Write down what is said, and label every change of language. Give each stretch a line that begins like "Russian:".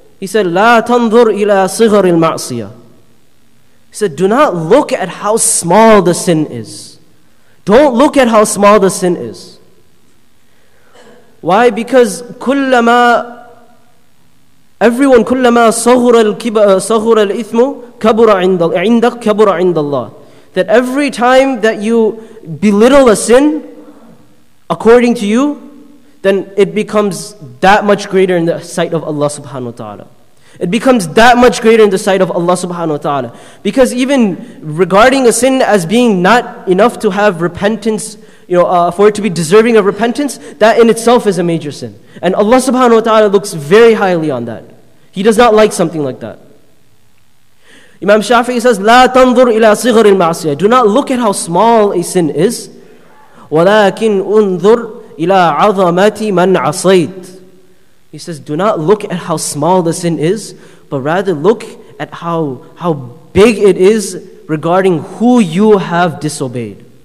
English: He said,
Arabic: لا تنظر إلى صغر المعصية.
English: He said, do not look at how small the sin is. Don't look at how small the sin is. Why? Because
Arabic: كلما Everyone, kullama saghura al-ithmu kabura 'inda Allah.
English: That every time that you belittle a sin, according to you, then it becomes that much greater in the sight of Allah subhanahu wa ta'ala. It becomes that much greater in the sight of Allah subhanahu wa ta'ala. Because even regarding a sin as being not enough to have repentance, you know, for it to be deserving of repentance, that in itself is a major sin. And Allah subhanahu wa ta'ala looks very highly on that. He does not like something like that. Imam Shafi'i says,
Arabic: لا تنظر إلى صغر المعصية.
English: Do not look at how small a sin is.
Arabic: ولكن انظر إلى عظمة من عصيت.
English: He says, do not look at how small the sin is, but rather look at how big it is regarding who you have disobeyed.